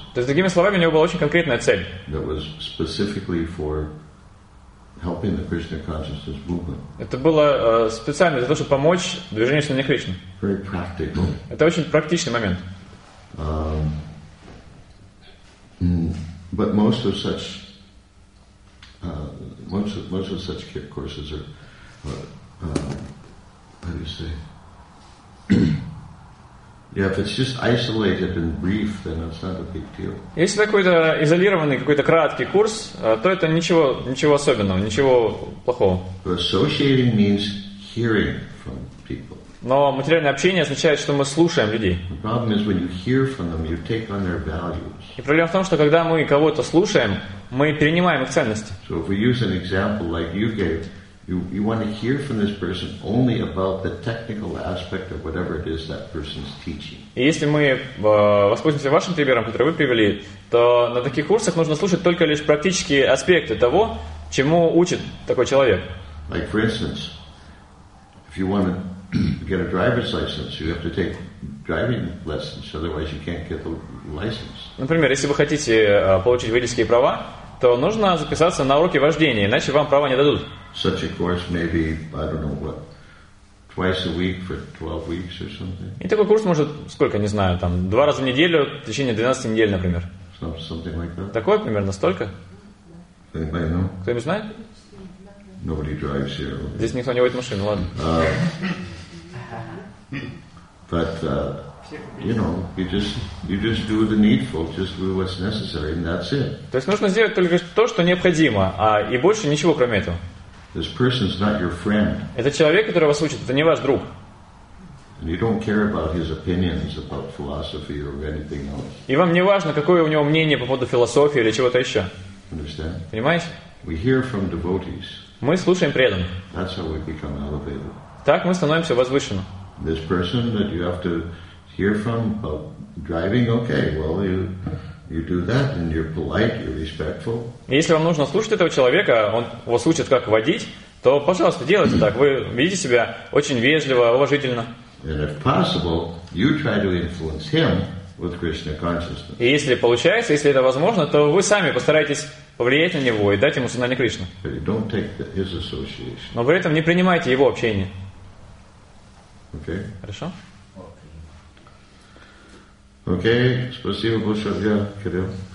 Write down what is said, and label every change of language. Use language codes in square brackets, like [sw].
[ru] То есть, другими словами, у него была очень конкретная цель. [en] That was specifically for helping the Krishna consciousness movement. [ru] Это было специально для того, чтобы помочь движению сознания Кришны. [en] Very practical. [ru] Это очень практичный момент. [en] But most of such courses are how do you say? Yeah, if it's just isolated and brief, then it's not a big deal. [ru] Если какой-то изолированный, какой-то краткий курс, то это ничего особенного, ничего плохого. [en] But associating means hearing from people. [ru] Но материальное общение означает, что мы слушаем людей. [en] The problem is when you hear from them, you take on their values. [ru] И проблема в том, что когда мы кого-то слушаем, мы перенимаем их ценности. [en] So if we use an example like you gave. You want to hear from this person only about the technical aspect of whatever it is that person is teaching. [ru] И если мы воспользуемся вашим примером, который вы привели, то на таких курсах нужно слушать только лишь практические аспекты того, чему учит такой человек. [en] Like for instance, if you want to get a driver's license, you have to take driving lessons, otherwise you can't get the license. [ru] Например, если вы хотите получить водительские права, то то нужно записаться на уроки вождения, иначе вам права не дадут. [en] Such a course may be, I don't know what, twice a week for 12 weeks or something. [ru] И такой курс может, сколько, не знаю, там, два раза в неделю в течение 12 недель, например. [en] Something like that. [ru] Такое примерно, столько? [en] Anybody know? [ru] Кто-нибудь знает? [en] Nobody drives here. Okay. [ru] Здесь никто не водит машину, ладно. [en] You know, you just do the needful, just do what's necessary, and that's it. [ru] То есть нужно сделать только то, что необходимо, а и больше ничего кроме этого. [en] This person's not your friend. [ru] Это человек, который вас учит, это не ваш друг. [en] And you don't care about his opinions about philosophy or anything else. [ru] И вам не важно, какое у него мнение по поводу философии или чего-то еще. [en] Understand? [ru] Понимаешь? [en] We hear from devotees. [ru] Мы слушаем преданных. [en] That's how we become elevated. [ru] Так мы становимся возвышенным. [en] This person that you have to hear from about driving, okay, well, you do that, and you're polite, you're respectful. [ru] Если вам нужно слушать этого человека, он вас учит, как водить, то, пожалуйста, делайте так. Вы ведите себя очень вежливо, уважительно. [en] And if possible, you try to influence him with Krishna consciousness. [ru] И если получается, если это возможно, то вы сами постарайтесь повлиять на него и дать ему сознание Кришны. [en] But you don't take his association. [ru] Но при этом не принимайте его общение. [en] Okay. [ru] Хорошо? Окей, спасибо большое, я Кирилл.